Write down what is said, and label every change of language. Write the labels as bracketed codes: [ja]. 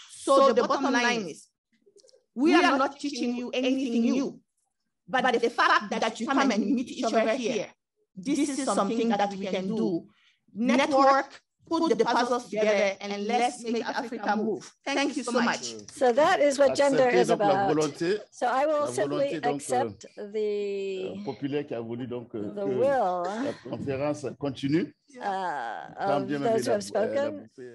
[en] So the bottom line is, we are not teaching you anything new, but the fact that you come and meet each other here, this is something that we can do. Network, put the puzzles together, and let's make Africa move. Thank you so much. So that is what gender is about. So I will simply accept the [fr] populaire qui a voulu donc [en] the will. [fr] La conférence continue. [en] Of those who have spoken.